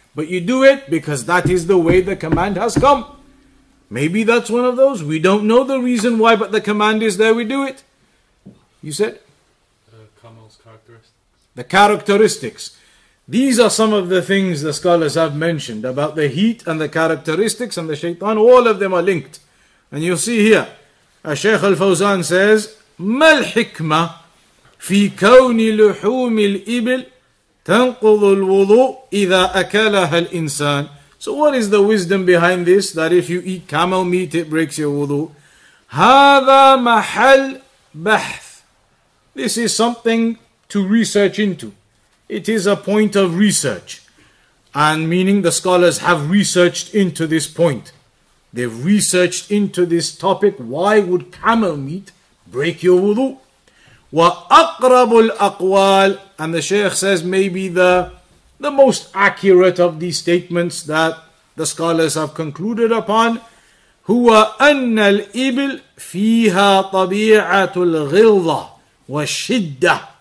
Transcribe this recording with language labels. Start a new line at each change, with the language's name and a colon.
English: But you do it because that is the way the command has come. Maybe that's one of those. We don't know the reason why, but the command is there, we do it. You said? Kamal's characteristics. The characteristics. These are some of the things the scholars have mentioned about the heat and the characteristics and the shaitan. All of them are linked. And you'll see here, Shaykh Al-Fawzan says,
Arabic: مَا الْحِكْمَةِ فِي كَوْنِ لُحُومِ الْإِبِلِ تَنْقُضُ الْوُضُوءِ إِذَا أَكَلَهَا الْإِنسَانِ.
English: So what is the wisdom behind this? That if you eat camel meat, it breaks your wudu.
Arabic: هَذَا مَحَلْ بَحْثِ.
English: This is something to research into. It is a point of research. And meaning the scholars have researched into this point. They've researched into this topic. Why would camel meat break your wudu?
Arabic: وَأَقْرَبُ الْأَقْوَالِ.
English: And the sheikh says maybe the most accurate of these statements that the scholars have concluded upon,
Arabic: هو أن الإبل فيها طبيعة الغلظة والشدة